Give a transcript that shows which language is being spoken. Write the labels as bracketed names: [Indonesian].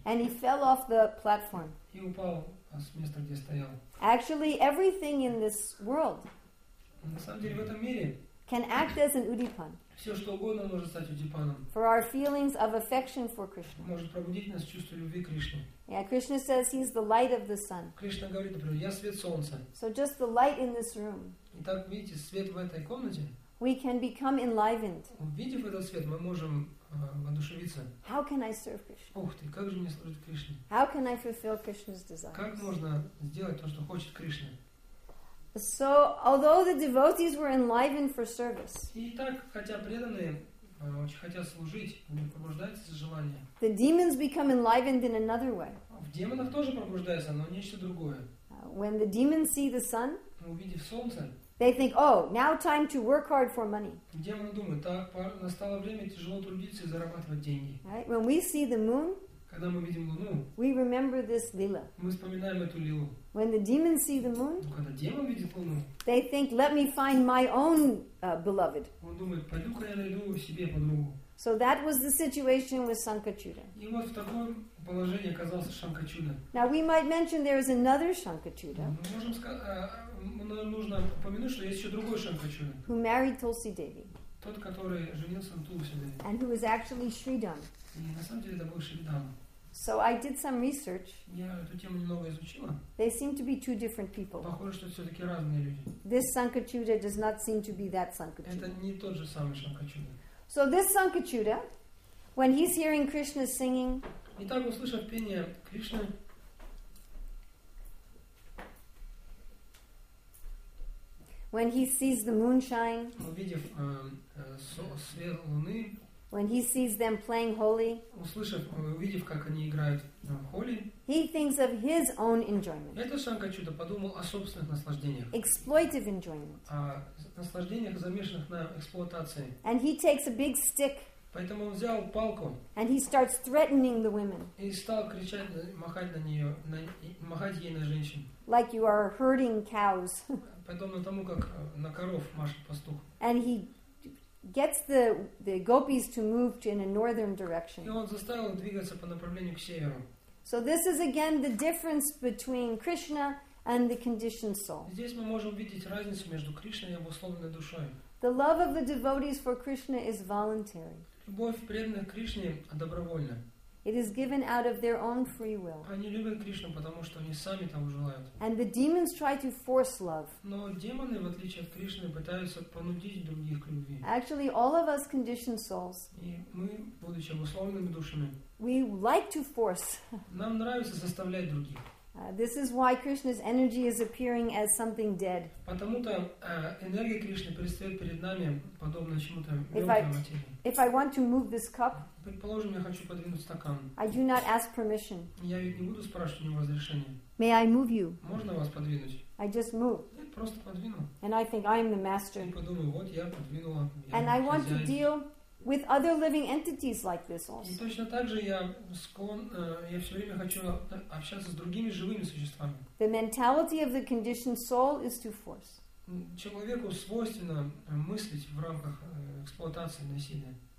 [English] And he fell off the platform. [Russian] И упал с места, где стоял. [English] Actually, everything in this world [Russian] на самом деле, в этом мире [English] can act as an udipan. [Russian] Все, что угодно, может стать удипаном. [English] For our feelings of affection for Krishna. [Russian] Может пробудить нас чувство любви к Кришне. [English] Yeah, Krishna says he's the light of the sun. [Russian] Кришна говорит, например, я свет солнца. [English] So just the light in this room. [Russian] Итак, видите, свет в этой комнате. [English] We can become enlivened. [Russian] Увидев этот свет, мы можем воодушевиться. [English] How can I serve Krishna? [Russian] Ух ты, как же мне служить Кришне? [English] How can I fulfill Krishna's desires? [Russian] Как можно сделать то, что хочет Кришна? [English] So, although the devotees were enlivened for service. [Russian] Итак, хотя преданные очень хотят служить, у них пробуждается желание. [English] The demons become enlivened in another way. [Russian] В демонах тоже пробуждается, но нечто другое. [English] When the demons see the sun. [Russian] Увидев солнце. [English] They think, oh, now time to work hard for money. [Russian] Демоны думают, так, настало время тяжело трудиться и зарабатывать деньги. [English] Right? When we see the moon, [Russian] когда мы видим луну, [English] we remember this lila. [Russian] Мы вспоминаем эту лилу. [English] When the demons see the moon, [Russian] когда демон видит луну, [English] they think, let me find my own beloved. [Russian] Он думает, пойду-ка я найду себе подругу. [English] So that was the situation with Sankachuda. [Russian] И вот в таком положении оказался Шанкачуда. [English] Now we might mention there is another Шанкачуда. [Russian] Мы можем сказать, нужно упомянуть, что есть еще другой Шанкачуда. [English] Who married Tulsi Devi. [Russian] Тот, который женился на Тулси Деви. [English] And who is actually Shridham. [Russian] И на самом деле это был Шридхам. [English] So I did some research. [Russian] Я эту тему немного изучила. [English] They seem to be two different people. [Russian] Похоже, что все-таки разные люди. [English] This Sankachuda does not seem to be that Sankachuda. [Russian] Это не тот же самый Шанкачуда. [English] So this Sankachuda, when he's hearing Krishna singing. [Russian] Итак, услышав пение Кришны. [English] When he sees the moonshine. [Russian] Увидев свет луны. [English] When he sees them playing holy. [Russian] Увидев, как они играют холи. [English] He thinks of his own enjoyment. [Russian] Это Шанка Чуда подумал о собственных наслаждениях. [English] Exploitive enjoyment. [Russian] О наслаждениях, замешанных на эксплуатации. [English] And he takes a big stick. [Russian] Поэтому он взял палку. [English] And he starts threatening the women. [Russian] И стал кричать, махать на нее, махать ей на женщин. [English] Like you are herding cows. [Russian] Подобно тому, как на коров машет пастух. [English] And he gets the gopis to move in a northern direction. [Russian] И он заставил их двигаться по направлению к северу. [English] So this is again the difference between Krishna and the conditioned soul. [Russian] Здесь мы можем увидеть разницу между Кришной и обусловленной душой. [English] The love of the devotees for Krishna is voluntary. [Russian] Любовь преданных Кришне добровольна. [English] It is given out of their own free will. [Russian] Они любят Кришну, потому что они сами того желают. [English] And the demons try to force love. [Russian] Но демоны, в отличие от Кришны, пытаются понудить других к любви. [English] Actually, all of us conditioned souls. [Russian] И мы, будучи обусловленными душами. [English] We like to force. [Russian] Нам нравится заставлять других. [English] This is why Krishna's energy is appearing as something dead. [Russian] Потому-то энергия Кришны предстает перед нами подобно чему-то мёртвой материи. [English] If I want to move this cup, [Russian] предположим, я хочу подвинуть стакан. [English] I do not ask permission. [Russian] Я ведь не буду спрашивать у него разрешения. [English] May I move you? [Russian] Можно вас подвинуть? [English] I just move. [Russian] Я просто подвину. [English] And I think I am the master. [Russian] И подумаю, вот я подвинула. [English] And I want to deal with other living entities like this also. [Russian] И точно так же я все время хочу общаться с другими живыми существами. [English] The mentality of the conditioned soul is to force. [Russian] Человеку свойственно мыслить в рамках эксплуатации, насилия.